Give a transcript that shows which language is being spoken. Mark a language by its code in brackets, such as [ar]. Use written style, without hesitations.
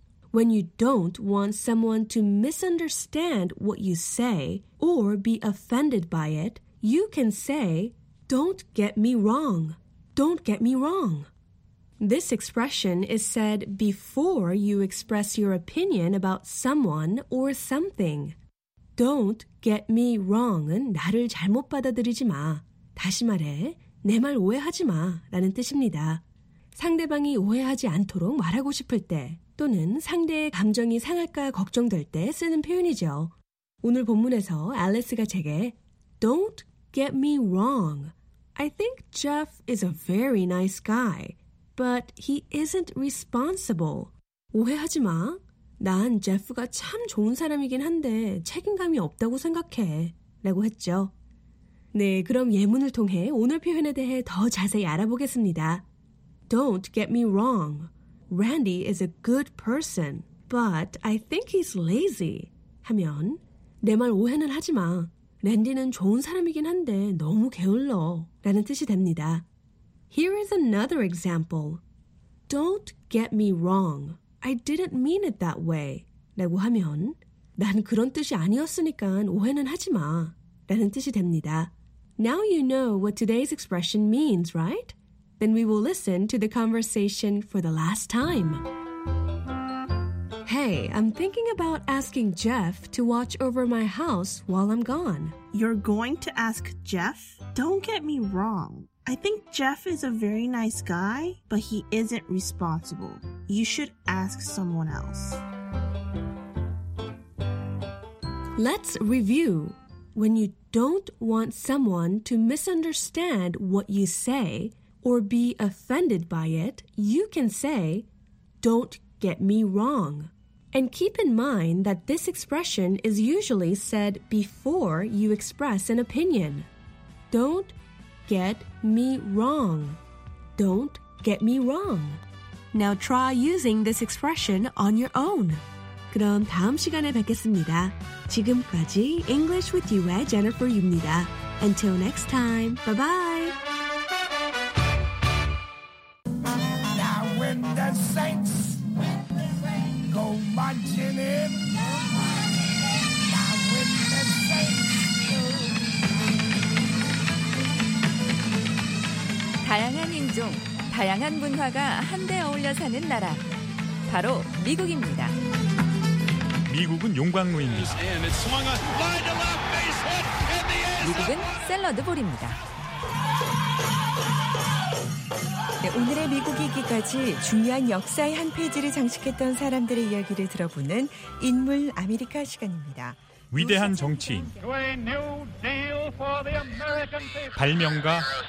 [en] When you don't want someone to misunderstand what you say or be offended by it, You can say, don't get me wrong. Don't get me wrong. This expression is said before you express your opinion about someone or something. Don't get me wrong [ko] 은 나를 잘못 받아들이지 마. 다시 말해, 내 말 오해하지 마 라는 뜻입니다. 상대방이 오해하지 않도록 말하고 싶을 때 또는 상대의 감정이 상할까 걱정될 때 쓰는 표현이죠. 오늘 본문에서 앨리스가 제게 [en] don't Get me wrong. I think Jeff is a very nice guy, but he isn't responsible. [ko] 오해하지 마. 난 제프가 참 좋은 사람이긴 한데 책임감이 없다고 생각해. 라고 했죠. 네, 그럼 예문을 통해 오늘 표현에 대해 더 자세히 알아보겠습니다. [en] Don't get me wrong. Randy is a good person, but I think he's lazy. [ko] 하면 내 말 오해는 하지 마. 랜디는 좋은 사람이긴 한데 너무 게을러 라는 뜻이 됩니다. [en] Here is another example. Don't get me wrong. I didn't mean it that way. [ko] 라고 하면 난 그런 뜻이 아니었으니까 오해는 하지 마 라는 뜻이 됩니다. [en] Now you know what today's expression means, right? Then we will listen to the conversation for the last time. Hey, I'm thinking about asking Jeff to watch over my house while I'm gone. You're going to ask Jeff? Don't get me wrong. I think Jeff is a very nice guy, but he isn't responsible. You should ask someone else. Let's review. When you don't want someone to misunderstand what you say or be offended by it, you can say, "Don't get me wrong." And keep in mind that this expression is usually said before you express an opinion. Don't get me wrong. Don't get me wrong. Now try using this expression on your own. [ko] 그럼 다음 시간에 뵙겠습니다. 지금까지 English with You의 Jennifer입니다. [en] Until next time, bye-bye. Diverse cultures, diverse languages, all mixed America. America is the glory. And it swung a line to left base hit in the end. America is a salad bowl. [ko] 네, 오늘의 미국이기까지 중요한 역사의 한 페이지를 장식했던 사람들의 이야기를 들어보는 인물 아메리카 시간입니다. 위대한 정치인, 발명가,